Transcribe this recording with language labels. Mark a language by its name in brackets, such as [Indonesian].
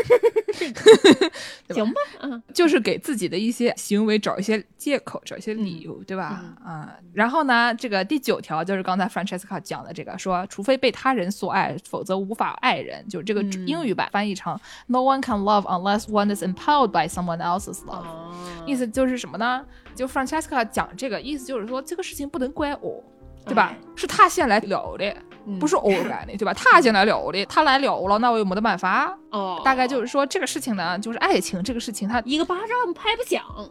[Chinese] 不是行吧、嗯、就是给自己的一些行为找一些借口找一些理由、嗯、对吧、嗯啊、然后呢这个第九条就是刚才 Francesca 讲的这个，说除非被他人所爱否则无法爱人，就这个英语版翻译成、嗯、 [English] No one can love unless one is impelled by someone else's love、 [Chinese] 哦、意思就是什么呢，就 Francesca 讲这个意思就是说这个事情不能怪我，对吧、哎、是他先来了的、嗯、不是偶然的，对吧，他先来了的，他来了了那我有没得办法、哦、大概就是说这个事情呢就是爱情这个事情他一个巴掌拍不响、